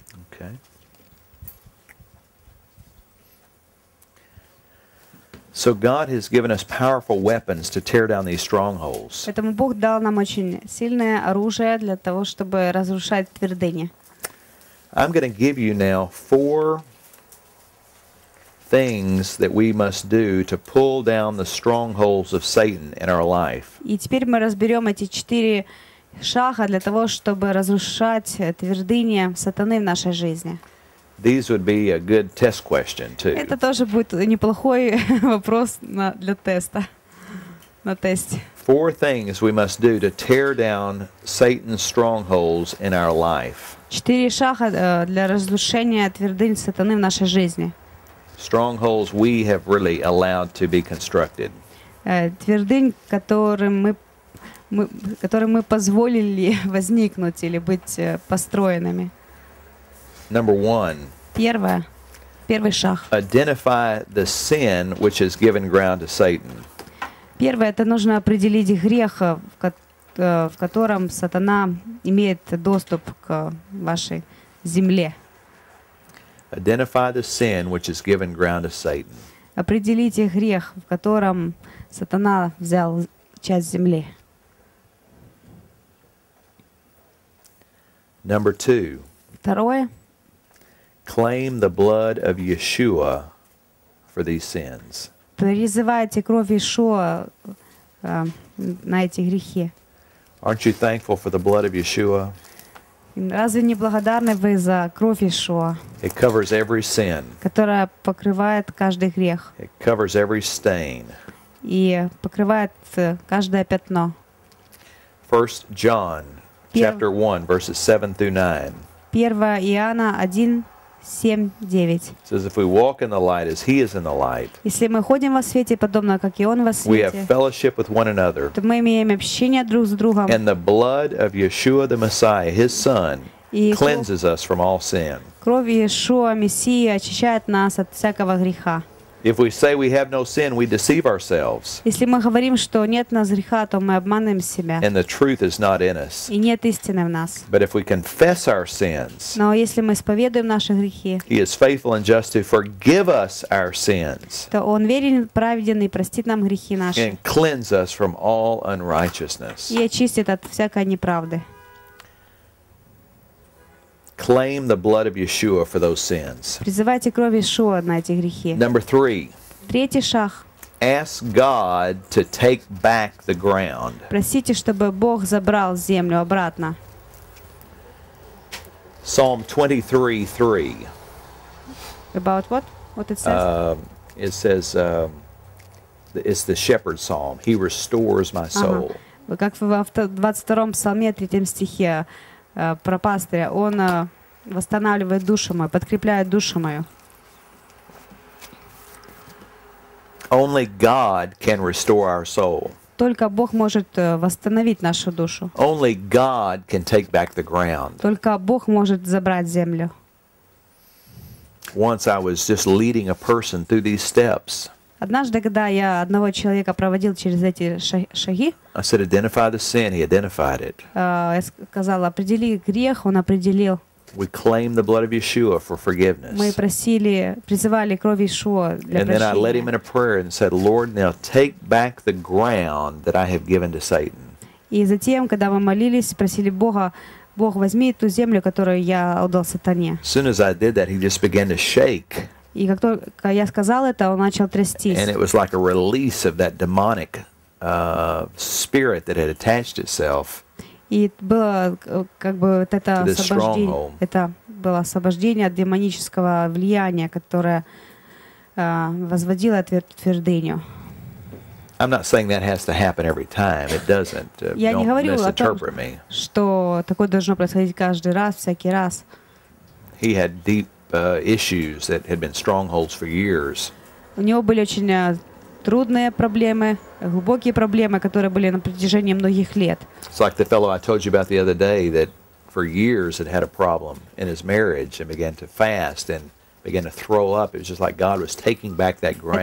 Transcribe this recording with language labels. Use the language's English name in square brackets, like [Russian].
[English] Okay. So God has given us powerful weapons to tear down these strongholds. [Russian] Поэтому Бог дал нам очень сильное оружие для того, чтобы разрушать твердыни. [English] I'm going to give you now four things that we must do to pull down the strongholds of Satan in our life. [Russian] И теперь мы разберем эти четыре шага для того, чтобы разрушать твердыни сатаны в нашей жизни. [English] These would be a good test question too. [Russian] Это тоже будет неплохой вопрос для теста. На тесте. [English] Four things we must do to tear down Satan's strongholds in our life. [Russian] Четыре шага для разрушения твердынь сатаны в нашей жизни. [English] Strongholds we have really allowed to be constructed. [Russian] Твердынь, которым мы позволили возникнуть или быть построенными. [English] Number one. [Russian] Первый шаг. [English] Identify the sin which has given ground to Satan. [Russian] Первое, это нужно определить грех, в котором сатана имеет доступ к вашей земле. [English] Identify the sin which has given ground to Satan. [Russian] Определите грех, в котором сатана взял часть земли. [English] Number two. [Russian] Второе. [English] Claim the blood of Yeshua for these sins. [Russian] Призывайте кровь Иешуа на эти грехи. [English] Aren't you thankful for the blood of Yeshua? [Russian] Разве не благодарны вы за кровь Иешуа? [English] It covers every sin. [Russian] Которая покрывает каждый грех. [English] It covers every stain. [Russian] И покрывает каждое пятно. [English] 1 John chapter 1 verses 7 through 9. [Russian] 1 Иоанна 1 7-9. [English] Says if we walk in the light as he is in the light. [Russian] Если мы ходим во свете, подобно как и он во свете. [English] We have fellowship with one another. [Russian] То мы имеем общение друг с другом. [English] And the blood of Yeshua the Messiah, his son, cleanses us from all sin. [Russian] Кровь Иешуа, Мессия, очищает нас от всякого греха. [English] If we say we have no sin, we deceive ourselves. [Russian] Если мы говорим, что нет нас греха, то мы обманываем себя. [English] And the truth is not in us. [Russian] И нет истины в нас. [English] But if we confess our sins, [Russian] но если мы исповедуем наши грехи, [English] He is faithful and just to forgive us our sins. [Russian] То Он верен, праведен и простит нам грехи наши. [English] And cleanse us from all unrighteousness. [Russian] И очистит от всякой неправды. [English] Claim the blood of Yeshua for those sins. [Russian] Призывайте кровь Иешуа на эти грехи. [English] Number three. [Russian] Третий шаг. [English] Ask God to take back the ground. [Russian] Просите, чтобы Бог забрал землю обратно. [English] Psalm 23:3. About what? What it says? It's the shepherd's psalm. He restores my soul. [Russian] Как в 22-м псалме, 3-м стихе, про пастыря, он восстанавливает душу мою, подкрепляет душу мою. [English] Only God can restore our soul. [Russian] Только Бог может восстановить нашу душу. [English] Only God can take back the ground. [Russian] Только Бог может забрать землю. [English] Once I was just leading a person through these steps. [Russian] Однажды, когда я одного человека проводил через эти шаги, [English] I said, identify the sin. He identified it. [Russian] Я сказал, определи грех, он определил. [English] We claim the blood of Yeshua for forgiveness. [Russian] Мы просили, призывали кровь Иешуа для прощения. [English] And then I led him in a prayer and said, Lord, now take back the ground that I have given to Satan. [Russian] И затем, когда мы молились, просили Бога, Бог, возьми ту землю, которую я отдал сатане. [English] As soon as I did that, he just began to shake. [Russian] И как только я сказал это, он начал трястись. [English] And it was like a release of that demonic spirit that had attached itself. [Russian] И было как бы вот это освобождение. Это было освобождение от демонического влияния, которое возводило твердыню. [English] I'm not saying that has to happen every time. It doesn't. [Russian] Я не говорю о том, что такое должно происходить каждый раз, всякий раз. [English] He had deep issues that had been strongholds for years. [Russian] У него были очень трудные проблемы, глубокие проблемы, которые были на протяжении многих лет. [English] It's like the fellow I told you about the other day that for years had a problem in his marriage and began to fast and began to throw up. It was just like God was taking back that ground.